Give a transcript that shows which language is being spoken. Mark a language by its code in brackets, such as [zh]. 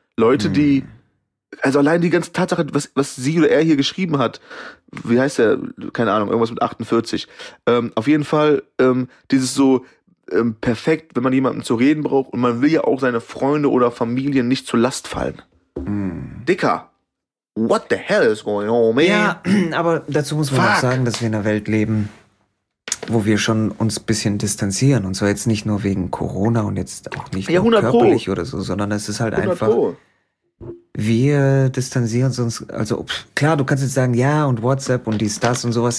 [de] Leute, die, also allein die ganze Tatsache, was sie oder er hier geschrieben hat, wie heißt der, keine Ahnung, irgendwas mit 48. Auf jeden Fall dieses so perfekt, wenn man jemanden zu reden braucht und man will ja auch seine Freunde oder Familien nicht zur Last fallen. [en] Dicker, what the hell is going on, man? [de] Ja, aber dazu muss man auch sagen, dass wir in einer Welt leben, wo wir schon uns ein bisschen distanzieren. Und zwar jetzt nicht nur wegen Corona und jetzt auch nicht nur körperlich oder so, sondern es ist halt einfach, wir distanzieren uns. Also klar, du kannst jetzt sagen, ja, und WhatsApp und die Stars und sowas.